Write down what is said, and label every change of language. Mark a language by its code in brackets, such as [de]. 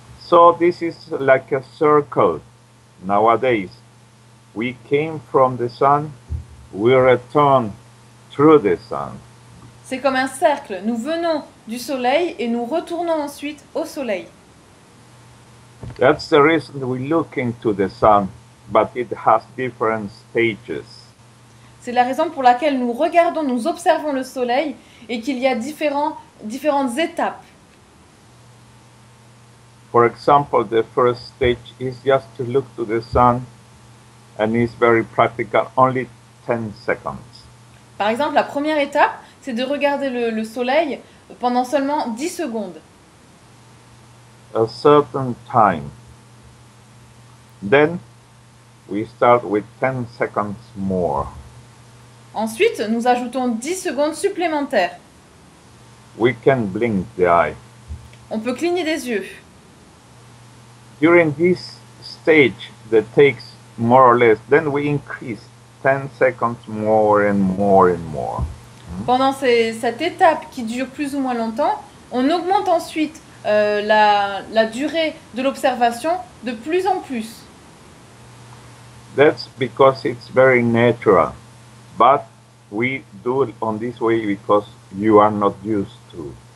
[en] So this is like a circle. Nowadays, we came from the sun, we return through the sun. [fr] C'est comme un cercle. Nous venons du soleil et nous retournons ensuite au soleil. [en] That's the reason we look into the sun, but it has different stages. [fr] C'est la raison pour laquelle nous regardons, nous observons le soleil et qu'il y a différentes étapes. [en] For example, the first stage is just to look to the sun and it's very practical, only 10 seconds. [fr] Par exemple, la première étape, c'est de regarder le soleil pendant seulement 10 secondes. [en] A certain time. Then we start with 10 seconds more. [fr] Ensuite, nous ajoutons 10 secondes supplémentaires. [en] We can blink the eye. [fr] On peut cligner des yeux. [en] During this stage that takes more or less, then we increase 10 seconds more and more and more. [fr] Pendant cette étape qui dure plus ou moins longtemps, on augmente ensuite la durée de l'observation de plus en plus. [en] That's because it's very natural. But we do it on this way because you are not used to.